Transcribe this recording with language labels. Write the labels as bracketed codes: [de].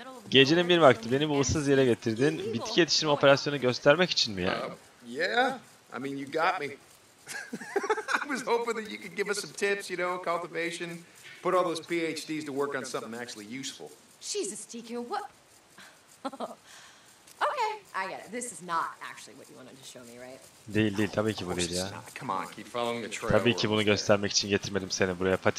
[tr] Gecenin bir vakti beni bu ıssız yere getirdin. Bitki yetiştirme operasyonu göstermek için mi yani? [en] I mean, you got me. I was hoping that you could give us some tips, you know, cultivation. Put all those PhDs to work on something actually useful. Jesus, TQ, what? Okay, I get it. This is not actually what you wanted to show me, right? [tr] Değil, değil. Tabii ki bu değil ya. [en] Come on, keep following the trail. [tr] Tabii ki bunu göstermek için getirmedim seni buraya.